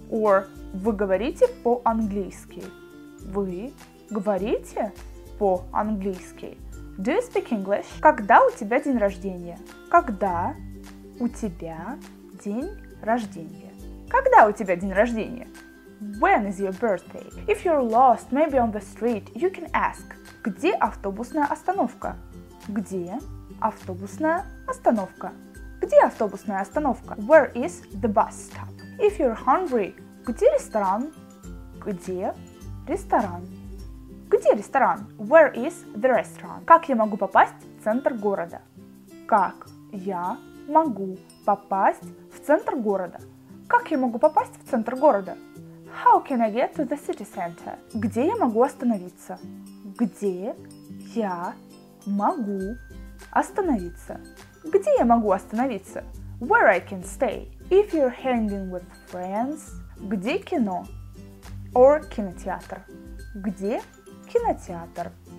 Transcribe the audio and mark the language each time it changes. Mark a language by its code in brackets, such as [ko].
[ru] Or вы говорите по-английски? Вы говорите по-английски? [en] Do you speak English? [ru] Когда у тебя день рождения? Когда у тебя день рождения. Когда у тебя день рождения? [en] When is your birthday? If you're lost, maybe on the street, you can ask. [ru] Где автобусная остановка? Где автобусная остановка? Где автобусная остановка? [en] Where is the bus stop? If you're hungry, [ru] где ресторан? Где ресторан? Где ресторан? [en] Where is the restaurant? [ru] Как я могу попасть в центр города? Как я могу попасть в центр города? Как я могу попасть в центр города? [en] How can I get to the city center? [ru] Где я могу остановиться? Где я могу остановиться? Где я могу остановиться? [en] Where I can stay? If you're hanging with friends, [ru] где кино? Or кинотеатр? Где кинотеатр?